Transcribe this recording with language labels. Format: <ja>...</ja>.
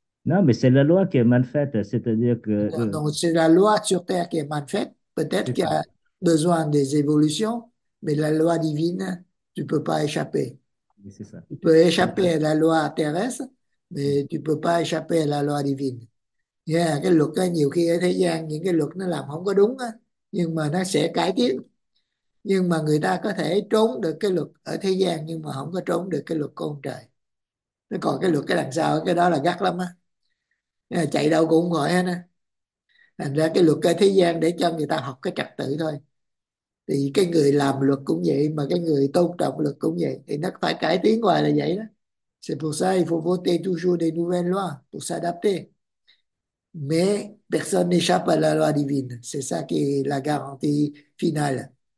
<fr>Non, mais c'est la loi qui est mal faite, c'est-à-dire que... Donc, c'est la loi sur Terre qui est mal faite. Peut-être C'est qu'il y ça. a besoin des évolutions, mais la loi divine, tu peux pas échapper. C'est ça. Tu peux C'est échapper à la loi terrestre, mais tu peux pas échapper à la loi divine.</fr> <vi>Cái luật đó, nhiều khi ở thế gian những cái luật nó làm không có đúng á, nhưng mà nó sẽ cải tiến. Nhưng mà người ta có thể trốn được cái luật ở thế gian, nhưng mà không có trốn được cái luật của ông trời. Nó còn cái luật cái đằng sau, cái đó là gắt lắm á, chạy đâu cũng gọi hết á. Thành ra cái luật ở thế gian để cho người ta học cái trật tự thôi. Thì cái người làm luật cũng vậy, mà cái người tôn trọng luật cũng vậy, thì nó phải cải tiến hoài là vậy đó.</vi> <fr>C'est pour ça qu'il faut voter toujours des nouvelles lois pour s'adapter. Mais personne n'échappe à la loi divine. C'est ça qui est la garantie finale.</fr>